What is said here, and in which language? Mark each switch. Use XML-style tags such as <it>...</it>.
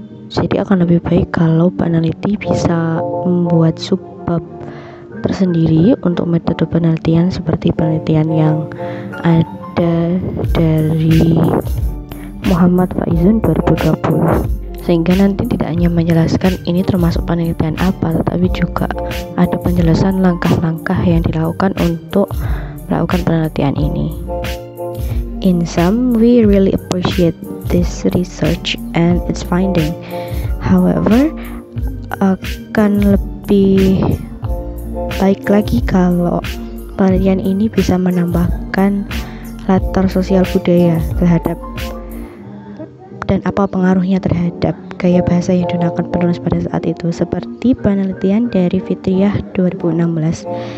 <id>Jadi akan lebih baik kalau peneliti bisa membuat subbab tersendiri untuk metode penelitian seperti penelitian yang ada dari Muhammad Faizun 2020, sehingga nanti tidak hanya menjelaskan ini termasuk penelitian apa, tetapi juga ada penjelasan langkah-langkah yang dilakukan untuk melakukan penelitian ini.</id> <en>In sum, we really appreciate this research and its finding.</en> <id>However, akan lebih baik lagi kalau penelitian ini bisa menambahkan latar sosial budaya terhadap dan apa pengaruhnya terhadap gaya bahasa yang digunakan penulis pada saat itu, seperti penelitian dari Fitriah 2016.</id>